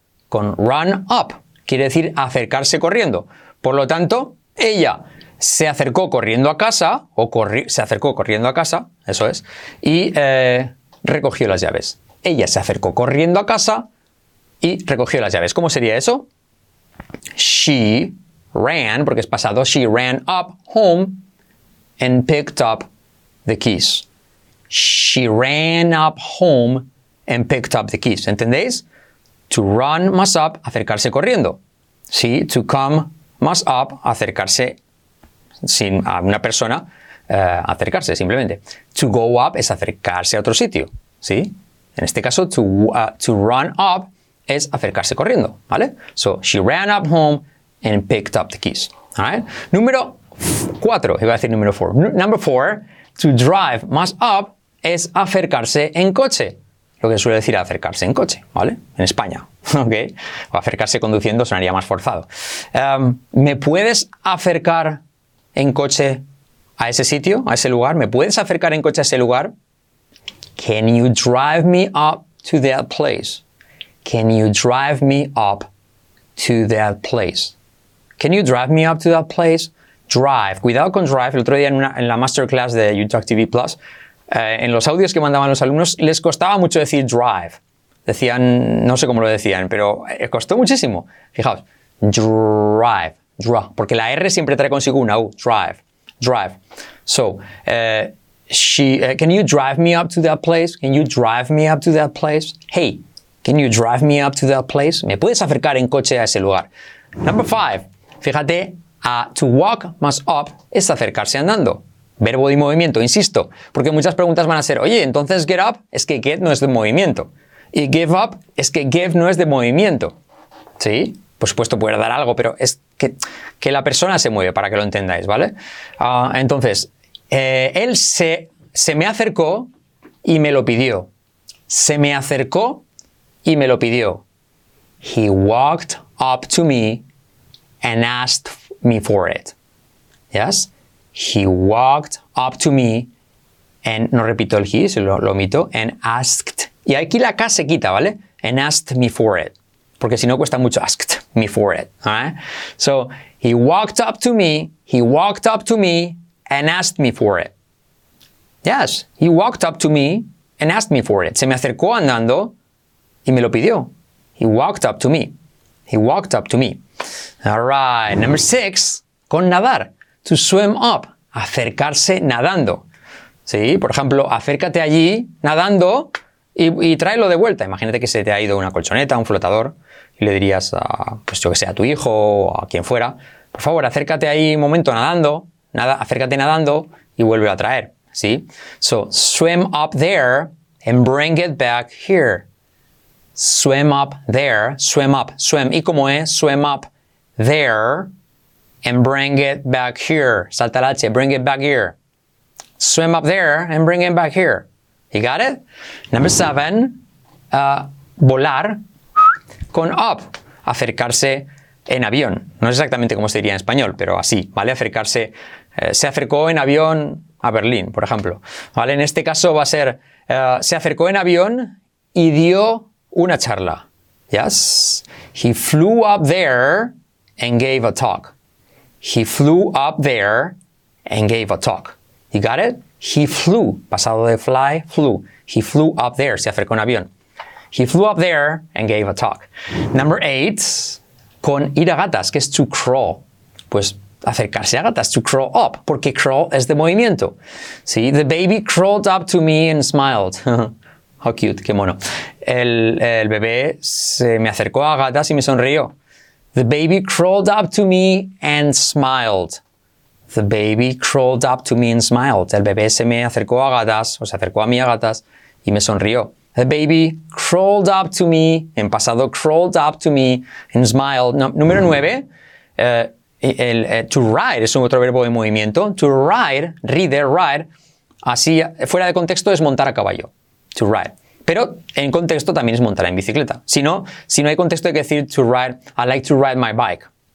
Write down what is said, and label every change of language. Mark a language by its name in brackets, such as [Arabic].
[Spanish] Con run up. Quiere decir acercarse corriendo. Por lo tanto, ella se acercó corriendo a casa. Se acercó corriendo a casa. Eso es. Y recogió las llaves. Ella se acercó corriendo a casa y recogió las llaves. ¿Cómo sería eso? [English] She ran, [Spanish] porque es pasado, [English] she ran up home and picked up the keys. She ran up home and picked up the keys. [Spanish] ¿Entendéis? To run más up, acercarse corriendo. ¿Sí? To come más up, acercarse sin a una persona, acercarse simplemente. To go up es acercarse a otro sitio. ¿Sí? En este caso, to run up es acercarse corriendo, ¿vale? [English] So, she ran up home and picked up the keys. All right? [Spanish] Número 4, iba a decir número 4. [English] Number 4, [Spanish] to drive más up es acercarse en coche. Lo que suele decir acercarse en coche, ¿vale? En España, ¿ok? O acercarse conduciendo sonaría más forzado. ¿Me puedes acercar en coche a ese sitio, a ese lugar? ¿Me puedes acercar en coche a ese lugar? [English] Can you drive me up to that place? Can you drive me up to that place? Can you drive me up to that place? [Spanish] Drive. Cuidado con drive. El otro día en la masterclass de YouTalk TV Plus, en los audios que mandaban los alumnos, les costaba mucho decir drive. Decían, no sé cómo lo decían, pero costó muchísimo. Fijaos. drive, drive, porque la R siempre trae consigo una U, drive, drive. [English] So, can you drive me up to that place? Can you drive me up to that place? Hey, can you drive me up to that place? [Spanish] ¿Me puedes acercar en coche a ese lugar? [English] Number five, [Spanish] fíjate, to walk más up es acercarse andando. Verbo de movimiento, insisto, porque muchas preguntas van a ser, oye, entonces get up es que get no es de movimiento. Y give up es que give no es de movimiento. ¿Sí? Por supuesto, puede dar algo, pero es que la persona se mueve, para que lo entendáis, ¿vale? Entonces, él se me acercó y me lo pidió. Se me acercó y me lo pidió. [English] He walked up to me and asked me for it. ¿Yes? He walked up to me and, [Spanish] no repito el he, se lo omito, [English] and asked. [Spanish] Y aquí la K se quita, ¿vale? [English] And asked me for it. [Spanish] Porque si no cuesta mucho, [English] asked me for it. Right? So, he walked up to me, he walked up to me and asked me for it. Yes, he walked up to me and asked me for it. [Spanish] Se me acercó andando y me lo pidió. [English] He walked up to me. He walked up to me. All right, number six, [Spanish] con nadar. To swim up, acercarse nadando. Sí, por ejemplo, acércate allí nadando y tráelo de vuelta. Imagínate que se te ha ido una colchoneta, un flotador, y le dirías a, pues yo que sé, a tu hijo o a quien fuera, por favor, acércate ahí un momento nadando, acércate nadando y vuélvelo a traer. ¿Sí? [English] So, swim up there and bring it back here. Swim up there, swim up, swim. [Spanish] ¿Y cómo es? [English] Swim up there and bring it back here. [Spanish] Salta la H, [English] bring it back here. Swim up there and bring it back here. You got it? Number seven, [Spanish] volar con up, acercarse en avión. No es exactamente como se diría en español, pero así, ¿vale? Acercarse, se acercó en avión a Berlín, por ejemplo. ¿Vale? En este caso va a ser, se acercó en avión y dio una charla. [English] Yes? He flew up there and gave a talk. He flew up there and gave a talk. You got it? He flew, [Spanish] pasado de fly, [English] flew. He flew up there, [Spanish] se acercó en avión. [English] He flew up there and gave a talk. Number eight, [Spanish] con ir a gatas, que es [English] to crawl. [Spanish] Pues acercarse a gatas, to crawl up, porque crawl es de movimiento. ¿Sí? [English] The baby crawled up to me and smiled. How cute, [Spanish] qué mono. El bebé se me acercó a gatas y me sonrió. [English] The baby crawled up to me and smiled. The baby crawled up to me and smiled. [Spanish] El bebé se me acercó a gatas, o se acercó a mí a gatas, y me sonrió. [English] The baby crawled up to me, [Spanish] en pasado, [English] crawled up to me and smiled. [Spanish] Número 9, to ride es un otro verbo de movimiento. To ride, ride, ride, así, fuera de contexto, es montar a caballo. To ride. Pero en contexto también es montar en bicicleta. Si no hay contexto, hay que decir to ride, [English] I like to ride my bike.